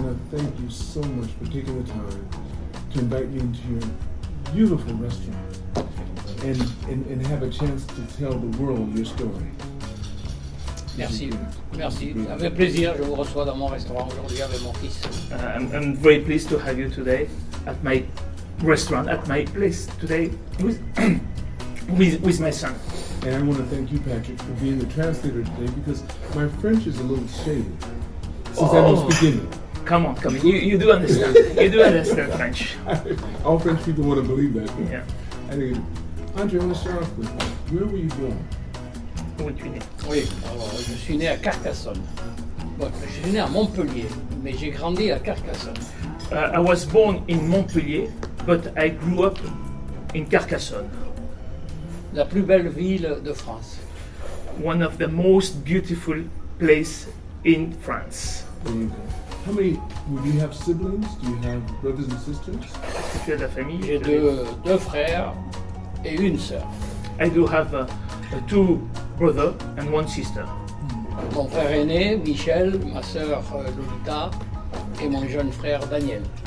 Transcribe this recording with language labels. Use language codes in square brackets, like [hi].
[en] Thank you so much for taking the time to invite me into your beautiful restaurant and have a chance to tell the world your story. [fr] Merci. Merci. Avec plaisir, je vous reçois dans mon restaurant aujourd'hui avec mon fils. [en] I'm very pleased to have you today at my restaurant, at my place today with my son. And I want to thank you, Patrick, for being the translator today because my French is a little shaky since I was beginning. Come on. You do understand. You do understand French. All French people want to believe that. Yeah. Anyway, Andre, let's start off with, where were you born? [fr] Oui, alors je suis né à Carcassonne. Bon, je suis né à Montpellier, mais j'ai grandi à Carcassonne. [en] I was born in Montpellier, but I grew up in Carcassonne. [fr] La plus belle ville de France. [en] One of the most beautiful places in France. How many, do you have siblings? Do you have brothers and sisters? [fr] J'ai la famille. J'ai deux frères et une sœur. [en] I do have two brothers and one sister. [fr] Mon frère aîné, Michel, ma sœur, Lolita, et mon jeune frère, Daniel.